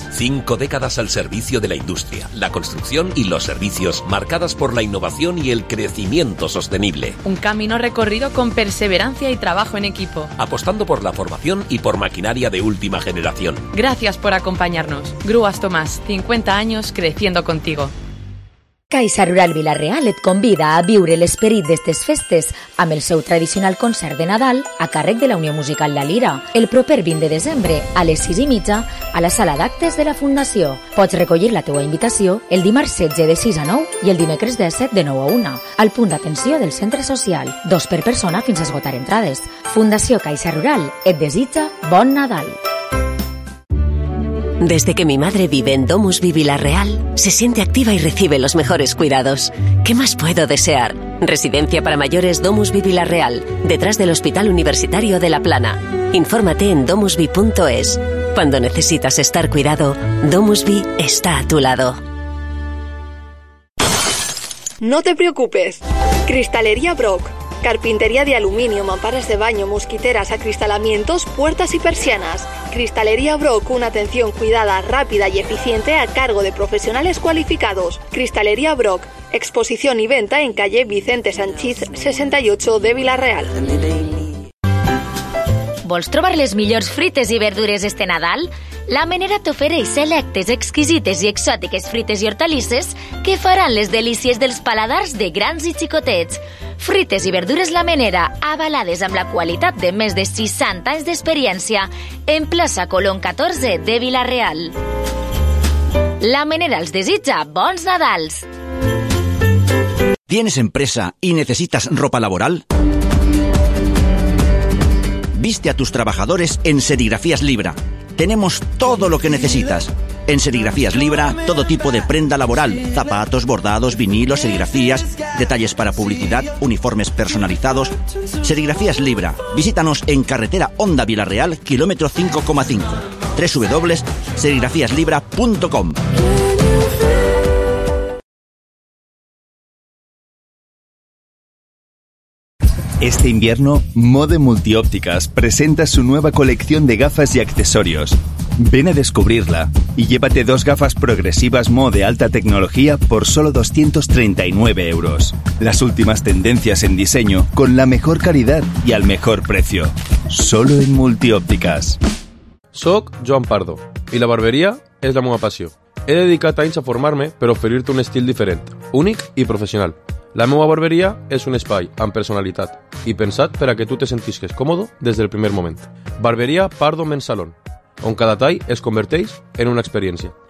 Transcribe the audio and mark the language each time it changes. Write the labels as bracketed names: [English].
[Spanish] 5 décadas al servicio de la industria, la construcción y los servicios, marcadas por la innovación y el crecimiento sostenible. Un camino recorrido con perseverancia y trabajo en equipo. Apostando por la formación y por maquinaria de última generación. Gracias por acompañarnos. Grúas Tomás, 50 años creciendo contigo. [Catalan] Caixa Rural Villarreal et convida a viure l'esperit d'estes festes amb el seu tradicional concert de Nadal a càrrec de la Unió Musical La Lira el proper 20 de desembre a les 6:30 a la sala d'actes de la Fundació. Pots recollir la teua invitació el dimarts 16 de 6 a 9 i el dimecres de 7 de 9 a 1 al punt d'atenció del centre social. 2 per persona fins a esgotar entrades. Fundació Caixa Rural et desitja bon Nadal. [Spanish] Desde que mi madre vive en Domus Vivilarreal, se siente activa y recibe los mejores cuidados. ¿Qué más puedo desear? Residencia para mayores Domus Vivilarreal, detrás del Hospital Universitario de La Plana. Infórmate en domusvi.es. Cuando necesitas estar cuidado, Domus Vi está a tu lado. No te preocupes. Cristalería Brock. Carpintería de aluminio, mamparas de baño, mosquiteras, acristalamientos, puertas y persianas. Cristalería Brock, una atención cuidada, rápida y eficiente a cargo de profesionales cualificados. Cristalería Brock, exposición y venta en calle Vicente Sanchiz 68 de Villarreal. [Catalan] vols trobar les millors frites i verdures este Nadal? La Menera t'ofereix selectes, exquisites i exòtiques frites i hortalisses que faran les delícies dels paladars de grans i xicotets. Frites i verdures La Menera, avalades amb la qualitat de més de 60 anys d'experiència, en plaça Colón 14 de Vila-real. La Menera els desitja bons Nadals. [Spanish] ¿Tienes empresa y necesitas ropa laboral? Viste a tus trabajadores en Serigrafías Libra. Tenemos todo lo que necesitas. En Serigrafías Libra, todo tipo de prenda laboral. Zapatos, bordados, vinilos, serigrafías, detalles para publicidad, uniformes personalizados. Serigrafías Libra. Visítanos en carretera Onda Villarreal, kilómetro 5,5. www.serigrafiaslibra.com. Este invierno, Mode Multiópticas presenta su nueva colección de gafas y accesorios. Ven a descubrirla y llévate dos gafas progresivas Mode alta tecnología por solo 239 euros. Las últimas tendencias en diseño, con la mejor calidad y al mejor precio. Solo en Multiópticas. [Catalan] Soc Joan Pardo i la barberia és la meva passió. He dedicat anys a formar-me per oferir-te un estil diferent, únic i professional. La meva barberia és un espai amb personalitat i pensat per a que tu te sentisques còmodo des del primer moment. Barberia Pardo Men's Salon, on cada tall es converteix en una experiència.